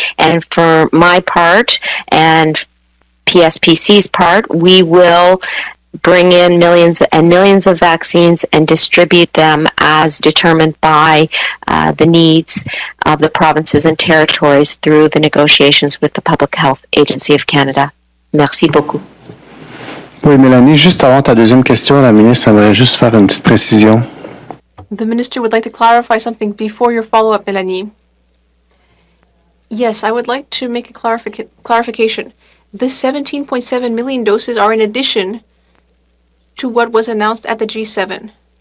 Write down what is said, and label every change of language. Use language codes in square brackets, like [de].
[en] And for my part and PSPC's part, we will bring in millions and millions of vaccines and distribute them as determined by the needs of the provinces and territories through the negotiations with the Public Health Agency of Canada. [fr] Merci beaucoup. Oui, Mélanie, juste avant ta deuxième question, la ministre aimerait juste faire une petite précision. [en] The minister would like to clarify something before your follow-up, Mélanie. Yes, I would like to make a clarification. The 17.7 million doses are in addition to what was announced at the G7.